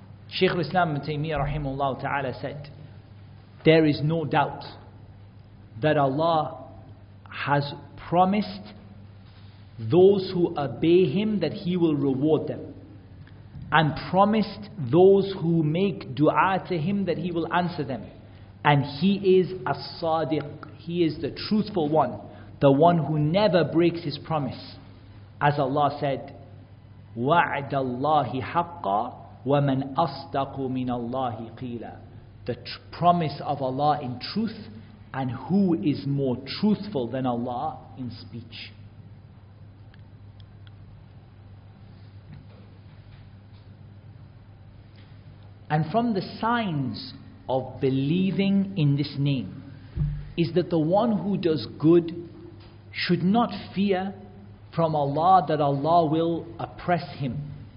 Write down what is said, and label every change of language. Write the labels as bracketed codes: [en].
[en] Shaykh al-Islam ibn Taymiyyah rahimahullah ta'ala said, there is no doubt that Allah has promised those who obey Him that He will reward them, and promised those who make dua to Him that He will answer them. And He is as-Saadiq, He is the truthful one, the one who never breaks His promise. As Allah said, [ar] وَعْدَ اللَّهِ حَقَّى وَمَنْ أَصْدَقُ مِنَ اللَّهِ قِيلًا. [en] The promise of Allah in truth, and who is more truthful than Allah in speech? And from the signs of believing in this name is that the one who does good should not fear from Allah that Allah will oppress him.